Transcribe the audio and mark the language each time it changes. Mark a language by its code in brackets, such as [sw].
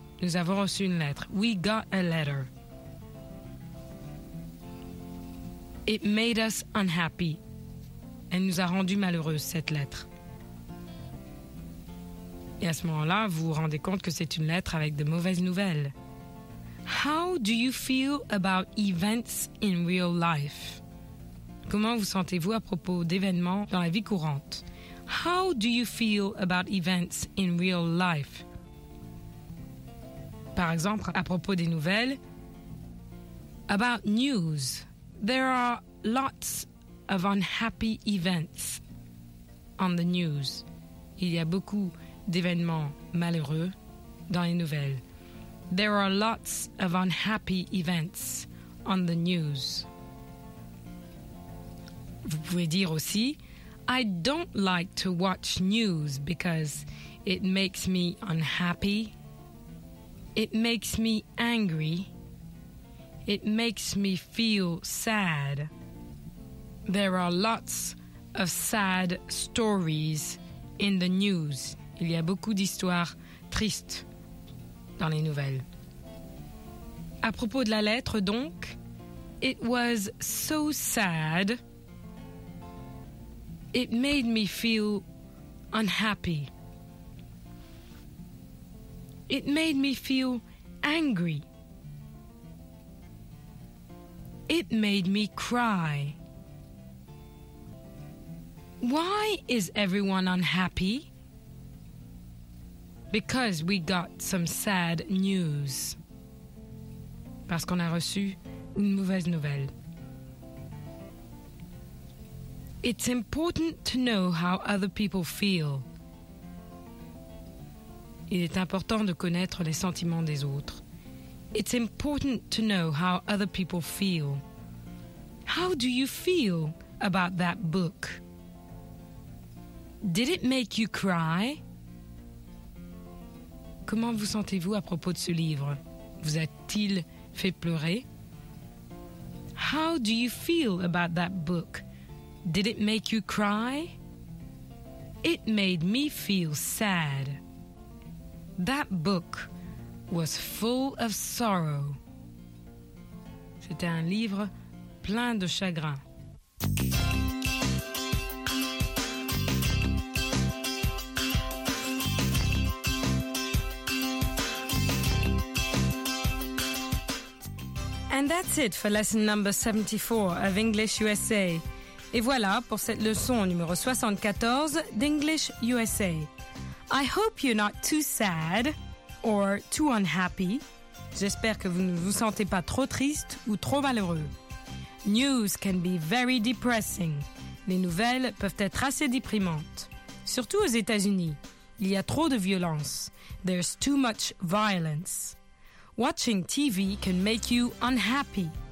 [fr] Nous avons reçu une lettre. [en] We got a letter. It made us unhappy. [fr] Elle nous a rendu malheureuse, cette lettre. Et à ce moment-là, vous vous rendez compte que c'est une lettre avec de mauvaises nouvelles. [en] How do you feel about events in real life? [fr] Comment vous sentez-vous à propos d'événements dans la vie courante? [en] How do you feel about events in real life? [fr] Par exemple, à propos des nouvelles, [en] about news. There are lots of unhappy events on the news. [fr] Il y a beaucoup d'événements malheureux dans les nouvelles. [en] There are lots of unhappy events on the news. [fr] Vous pouvez dire aussi, [en] I don't like to watch news because it makes me unhappy. It makes me angry. It makes me feel sad. There are lots of sad stories in the news. [fr] Il y a beaucoup d'histoires tristes dans les nouvelles. À propos de la lettre, donc, [en] it was so sad. It made me feel unhappy. It made me feel angry. It made me cry. Why is everyone unhappy? Because we got some sad news. [fr] Parce qu'on a reçu une mauvaise nouvelle. [en] It's important to know how other people feel. [fr] Il est important de connaître les sentiments des autres. [en] It's important to know how other people feel. How do you feel about that book? Did it make you cry? [fr] Comment vous sentez-vous à propos de ce livre? Vous a-t-il fait pleurer? [en] How do you feel about that book? Did it make you cry? It made me feel sad. That book was full of sorrow. [fr] C'était un livre plein de chagrin. [en] And that's it for lesson number 74 of English USA. [fr] Et voilà pour cette leçon numéro 74 d'English USA. [en] I hope you're not too sad or too unhappy. [fr] J'espère que vous ne vous sentez pas trop triste ou trop malheureux. [en] News can be very depressing. [fr] Les nouvelles peuvent être assez déprimantes. Surtout aux États-Unis. Il y a trop de violence. [en] There's too much violence. Watching TV can make you unhappy.